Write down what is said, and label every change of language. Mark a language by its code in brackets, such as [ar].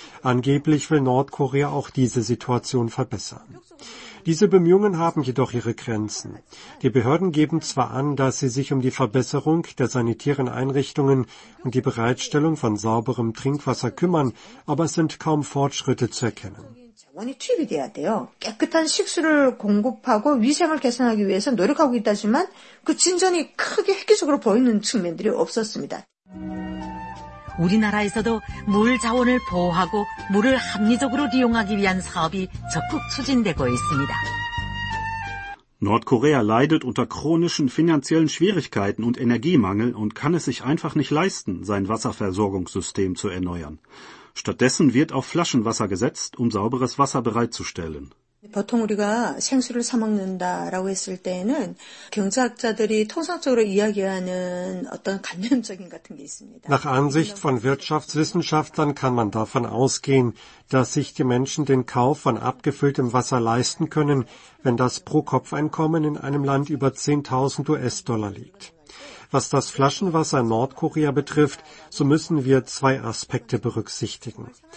[de] Angeblich will Nordkorea auch diese Situation verbessern. Diese Bemühungen haben jedoch ihre Grenzen. Die Behörden geben zwar an, dass sie sich um die Verbesserung der sanitären Einrichtungen und die Bereitstellung von sauberem Trinkwasser kümmern, aber es sind kaum Fortschritte zu erkennen. [ko] 원이 투입이 돼야 돼요. 깨끗한 식수를 공급하고 위생을 개선하기 위해서 노력하고 있다지만 그 진전이 크게 획기적으로 보이는 측면들이 없었습니다. 우리나라에서도 물 자원을 보호하고 물을 합리적으로 이용하기 위한 사업이 적극 추진되고 있습니다. [de] Nordkorea leidet unter chronischen finanziellen Schwierigkeiten und Energiemangel und kann es sich einfach nicht leisten, sein Wasserversorgungssystem zu erneuern. Stattdessen wird auf Flaschenwasser gesetzt, um sauberes Wasser bereitzustellen. [ko] 보통 우리가 생수를 사 먹는다라고 했을 때는 경제학자들이 통상적으로 이야기하는 어떤 관념적인 같은 게 있습니다. [de] Nach Ansicht von Wirtschaftswissenschaftlern kann man davon ausgehen, dass sich die Menschen den Kauf von abgefülltem Wasser leisten können, wenn das Pro-Kopf-Einkommen in einem Land über 10.000 US-Dollar liegt. Was das Flaschenwasser in Nordkorea betrifft, so müssen wir zwei Aspekte berücksichtigen.